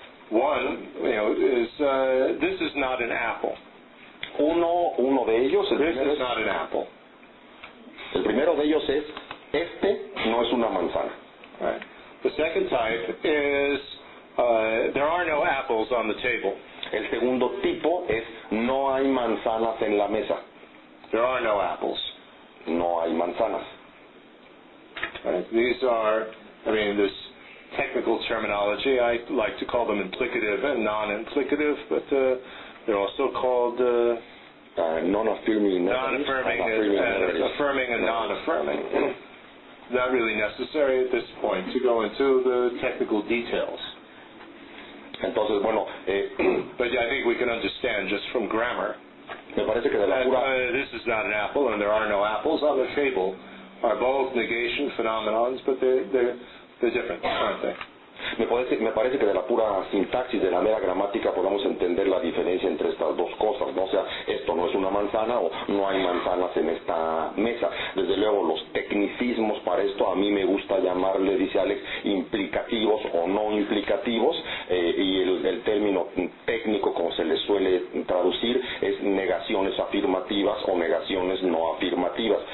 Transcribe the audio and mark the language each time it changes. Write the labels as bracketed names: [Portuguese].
[English] One, you know, is this is not an apple. [Spanish] Uno de ellos, [English] this is not an apple. [Spanish] El primero de ellos es este no es una manzana. [English] Right. The second type is there are no apples on the table. [Spanish] El segundo tipo es no hay manzanas en la mesa. [English] There are no apples. [Spanish] No hay manzanas. [English] Right. These are, I mean, this technical terminology. I like to call them implicative and non-implicative, but they're also called non-affirming. Non-affirming is affirming and non-affirming. Not really necessary at this point to go into the technical details. [Spanish] Entonces, bueno, [English] but yeah, I think we can understand just from grammar. [Spanish] Me parece que de la pura... [English] This is not an apple, and there are no apples on the table. Are both negation phenomenons, but they're different, aren't they? [Spanish] Me parece que de la pura sintaxis, de la mera gramática, podamos entender la diferencia entre estas dos cosas, ¿no? O sea, esto no es una manzana o no hay manzanas en esta mesa. Desde luego, los tecnicismos para esto, a mí me gusta llamarle, dice Alex, implicativos o no implicativos, y el término técnico, como se le suele traducir, es negaciones afirmativas o negaciones no afirmativas.